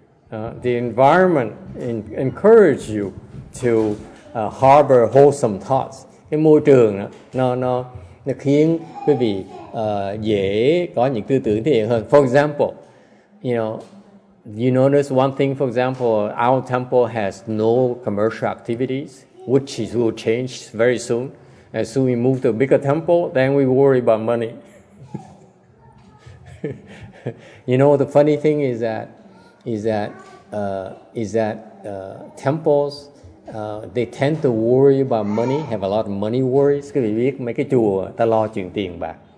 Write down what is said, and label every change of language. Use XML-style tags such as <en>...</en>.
<en>The environment encourages you to harbor wholesome thoughts.</en> <vi>Cái môi trường đó, nó khiến quý vị dễ có những tư tưởng thiện hơn.</vi> <en>For example, you notice one thing, for example, our temple has no commercial activities, which will change very soon. As soon we move to a bigger temple, then we worry about money. the funny thing is that temples, they tend to worry about money, have a lot of money worries.</en> <vi>Quý vị biết mấy cái chùa ta lo chuyện tiền bạc.</vi>